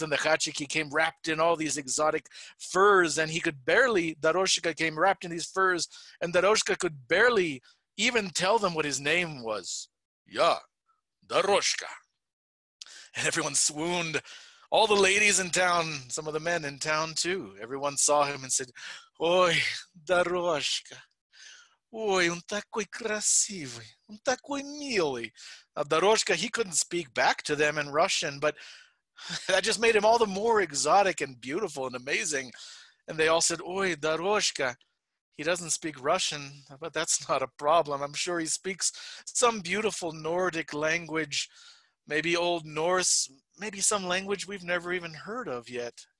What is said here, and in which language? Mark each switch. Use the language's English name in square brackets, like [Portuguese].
[English] And the Khachik, he came wrapped in all these exotic furs, and he could barely, Doroshka came wrapped in these furs, and Doroshka could barely even tell them what his name was. Yeah, Doroshka. And everyone swooned, all the ladies in town, some of the men in town too. Everyone saw him and said, Oy, Doroshka. [Russian] Ой, он такой красивый, он такой милый. [English] Now, Doroshka, he couldn't speak back to them in Russian, but that just made him all the more exotic and beautiful and amazing. And they all said, Oy, Doroshka, he doesn't speak Russian, but that's not a problem. I'm sure he speaks some beautiful Nordic language, maybe Old Norse, maybe some language we've never even heard of yet.